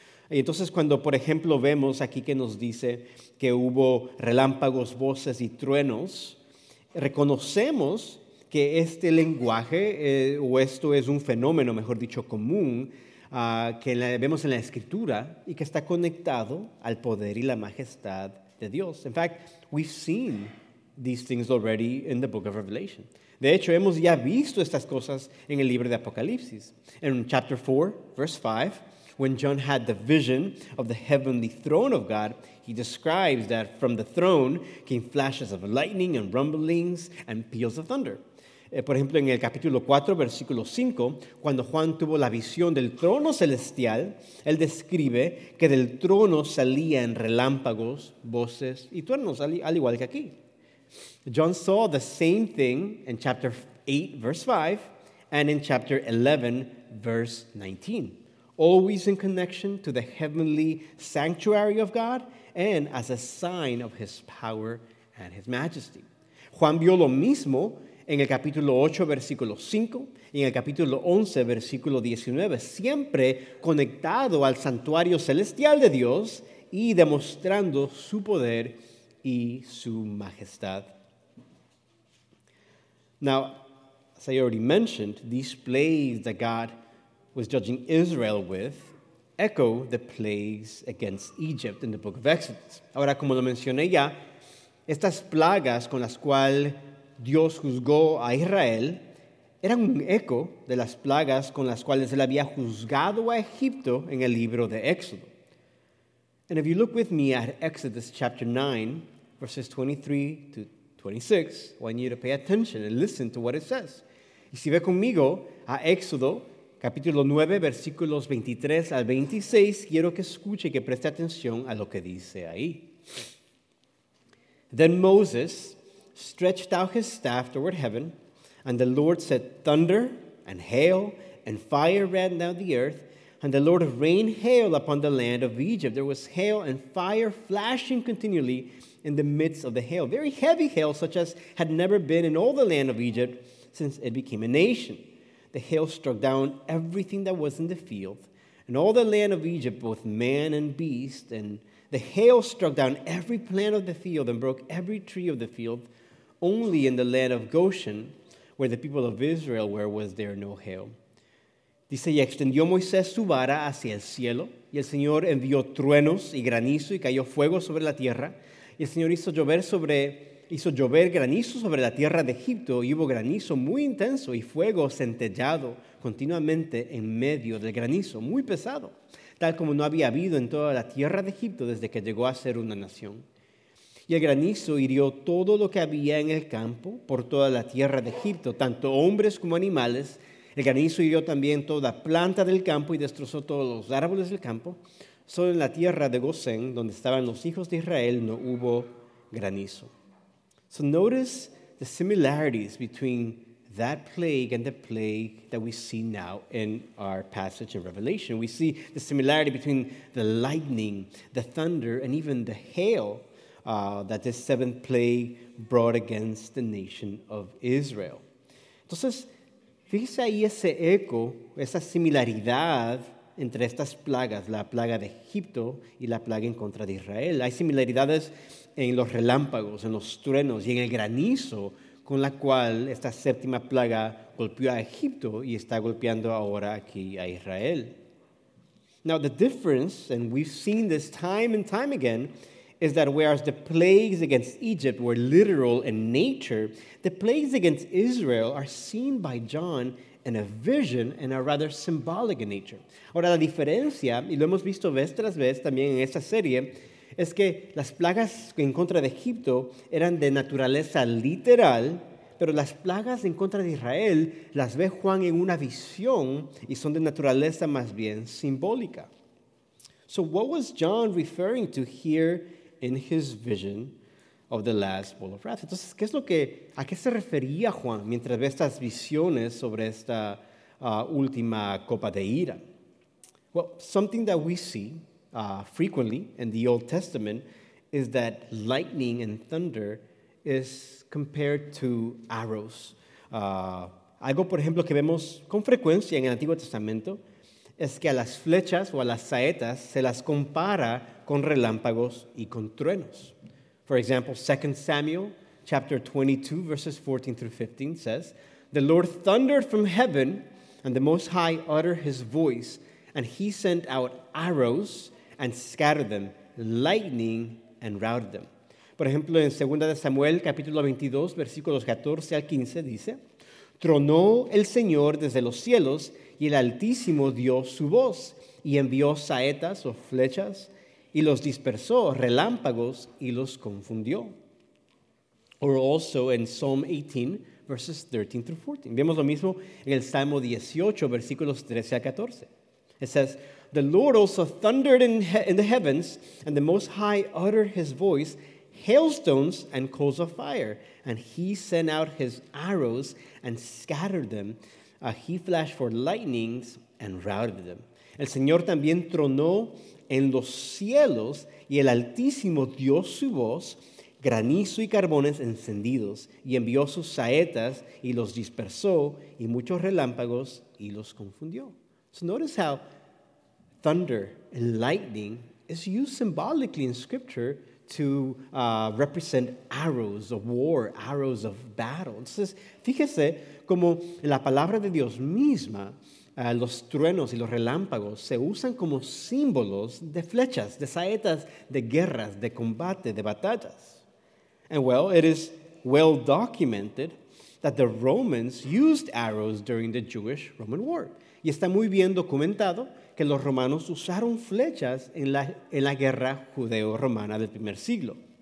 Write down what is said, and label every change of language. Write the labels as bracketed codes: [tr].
[es] Y entonces cuando, por ejemplo, vemos aquí que nos dice que hubo relámpagos, voces y truenos, reconocemos que este lenguaje, o esto es un fenómeno, mejor dicho, común, que vemos en la Escritura y que está conectado al poder y la majestad de Dios. [en] In fact, we've seen these things already in the book of Revelation. [es] De hecho, hemos ya visto estas cosas en el libro de Apocalipsis. En [en] chapter 4, verse 5, when John had the vision of the heavenly throne of God, he describes that from the throne came flashes of lightning and rumblings and peals of thunder. [es] Por ejemplo, en el capítulo 4, versículo 5, cuando Juan tuvo la visión del trono celestial, él describe que del trono salían relámpagos, voces y truenos, al igual que aquí. [en] John saw the same thing in chapter 8, verse 5, and in chapter 11, verse 19, always in connection to the heavenly sanctuary of God and as a sign of his power and his majesty. [es] Juan vio lo mismo en el capítulo 8, versículo 5, y en el capítulo 11, versículo 19, siempre conectado al santuario celestial de Dios y demostrando su poder y su majestad [en] Now, as I already mentioned, these plagues that God was judging Israel with echo the plagues against Egypt in the book of Exodus. [es] Ahora, como lo mencioné ya, estas plagas con las cuales Dios juzgó a Israel eran un eco de las plagas con las cuales él había juzgado a Egipto en el libro de Éxodo. [en] And if you look with me at Exodus chapter 9, verses 23 to 26, I want you to pay attention and listen to what it says. [es] Y si ve conmigo a Éxodo, capítulo 9, versículos 23 al 26, quiero que escuche y que preste atención a lo que dice ahí. [en] Then Moses stretched out his staff toward heaven, and the Lord said, thunder and hail and fire ran down the earth, and the Lord rained hail upon the land of Egypt. There was hail and fire flashing continually in the midst of the hail. Very heavy hail, such as had never been in all the land of Egypt since it became a nation. The hail struck down everything that was in the field, and all the land of Egypt, both man and beast. And the hail struck down every plant of the field and broke every tree of the field. Only in the land of Goshen, where the people of Israel were, was there no hail. [es] Dice, y extendió Moisés su vara hacia el cielo, y el Señor envió truenos y granizo, y cayó fuego sobre la tierra. Y el Señor hizo llover granizo sobre la tierra de Egipto, y hubo granizo muy intenso y fuego centellado continuamente en medio del granizo, muy pesado, tal como no había habido en toda la tierra de Egipto desde que llegó a ser una nación. Y el granizo hirió todo lo que había en el campo por toda la tierra de Egipto, tanto hombres como animales. El granizo hirió también toda planta del campo y destrozó todos los árboles del campo. Solo en la tierra de Gosén, donde estaban los hijos de Israel, no hubo granizo. [en] So notice the similarities between that plague and the plague that we see now in our passage in Revelation. We see the similarity between the lightning, the thunder, and even the hail that this seventh plague brought against the nation of Israel. [es] Entonces, fíjese ahí ese eco, esa similaridad entre estas plagas, la plaga de Egipto y la plaga en contra de Israel. Hay similaridades en los relámpagos, en los truenos y en el granizo con la cual esta séptima plaga golpeó a Egipto y está golpeando ahora aquí a Israel. [en] Now the difference, and we've seen this time and time again, is that whereas the plagues against Egypt were literal in nature, the plagues against Israel are seen by John in a vision and are rather symbolic in nature. [es] Ahora, la diferencia, y lo hemos visto vez tras vez también en esta serie, es que las plagas en contra de Egipto eran de naturaleza literal, pero las plagas en contra de Israel las ve Juan en una visión y son de naturaleza más bien simbólica. [en] So what was John referring to here in his vision of the last bowl of wrath? [es] Entonces, ¿qué es lo que, a qué se refería Juan mientras ve estas visiones sobre esta última copa de ira? [en] Well, something that we see frequently in the Old Testament is that lightning and thunder is compared to arrows. [es] Algo, por ejemplo, que vemos con frecuencia en el Antiguo Testamento es que a las flechas o a las saetas se las compara con relámpagos y con truenos. [en] For example, 2 Samuel chapter 22, verses 14 through 15 says, the Lord thundered from heaven, and the Most High uttered his voice, and he sent out arrows and scattered them, lightning and routed them. [es] Por ejemplo, en 2 Samuel capítulo 22, versículos 14 al 15 dice, tronó el Señor desde los cielos, y el Altísimo dio su voz, y envió saetas o flechas, y los dispersó, relámpagos, y los confundió. [en] Or also in Psalm 18, verses 13 through 14. [es] Vemos lo mismo en el Salmo 18, versículos 13 a 14. [en] It says, the Lord also thundered in the heavens, and the Most High uttered his voice, hailstones and coals of fire. And he sent out his arrows and scattered them. He flashed for lightnings and routed them. [es] El Señor también tronó en los cielos, y el Altísimo dio su voz, granizo y carbones encendidos, y envió sus saetas, y los dispersó, y muchos relámpagos, y los confundió. [en] So notice how thunder and lightning is used symbolically in Scripture to represent arrows of war, arrows of battle. [es] Entonces, fíjese cómo la palabra de Dios misma, los truenos y los relámpagos, se usan como símbolos de flechas, de saetas, de guerras, de combate, de batallas. [en] And well, it is well documented that the Romans used arrows during the Jewish-Roman War. [es] Y está muy bien documentado que los romanos usaron flechas en la guerra judeo-romana del primer siglo.